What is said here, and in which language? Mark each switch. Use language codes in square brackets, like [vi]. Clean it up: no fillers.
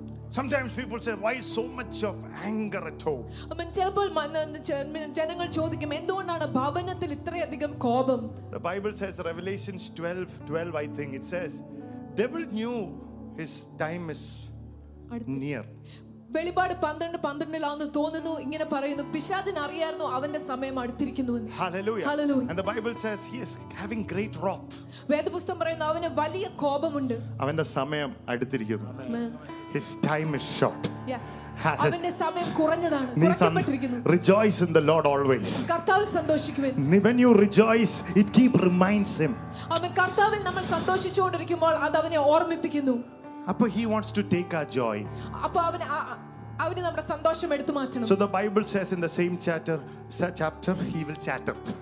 [en] Sometimes people say, why so much of anger at home? [ml] ചിലപ്പോൾ ജനങ്ങൾ ചോദിക്കും, എന്തുകൊണ്ടാണ് ഭവനത്തിൽ ഇത്രയധികം കോപം? [en] The Bible says, Revelations 12:12, I think it says, devil knew his time is near. [ml] വെളിപാട് 12:12 ആണ് തോന്നുന്നു ഇങ്ങനെ പറയുന്നു, പിശാചൻ അറിയായിരുന്നു അവന്റെ സമയം അടുത്തിരിക്കുന്നു. [en] Hallelujah. Hallelujah. And the Bible says he is having great wrath. [ml] വേദപുസ്തകം പറയുന്നു അവന് വലിയ കോപമുണ്ട്. അവന്റെ സമയം അടുത്തിരിക്കുന്നു. [en] His time is short. [ml] Yes. അവന്റെ സമയം കുറഞ്ഞതാണ്. കുറഞ്ഞുപോയിരിക്കുന്നു. [en] Rejoice in the Lord always. [ml] കർത്താവിൽ സന്തോഷിക്കുവിൻ. [en] When you rejoice, it keep reminds him. [ml] അവൻ കർത്താവിൽ നമ്മൾ സന്തോഷിച്ചുകൊണ്ടിരിക്കുമ്പോൾ അത് അവനെ ഓർമ്മിപ്പിക്കുന്നു. [en] അപ്പൊ he wants to take our joy. [ml] അപ്പൊ അവൻ അവനെ നമ്മുടെ സന്തോഷം എടുത്തു മാറ്റണം. [en] So the Bible says in the same chapter he will chatter.